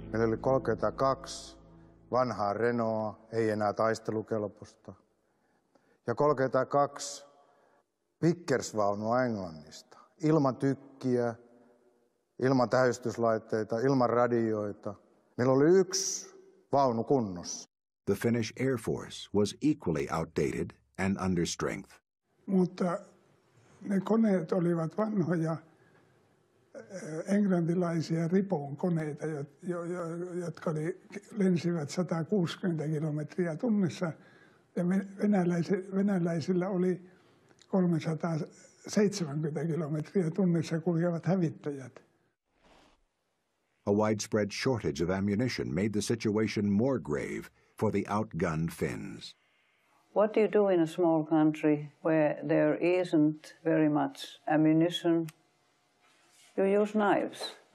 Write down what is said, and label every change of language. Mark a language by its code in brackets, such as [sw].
[fi] Meillä oli 32 vanhaa Renaulta, ei enää taistelukelpoista, ja 32 Vickers-vaunua Englannista, ilman tykkiä, ilman tähystyslaitteita, ilman radioita. Meillä oli yksi vaunu kunnossa. [en] The Finnish Air Force was equally outdated and under strength. [fi] Mutta ne koneet olivat vanhoja englantilaisia ripon koneita, jotka lensivät 160 kilometriä tunnissa. Ja venäläisillä oli 370 kilometriä tunnissa kuljevat hävittäjät. [en] A widespread shortage of ammunition made the situation more grave for the outgunned Finns. What do you do in a small country where there isn't very much ammunition? You use knives.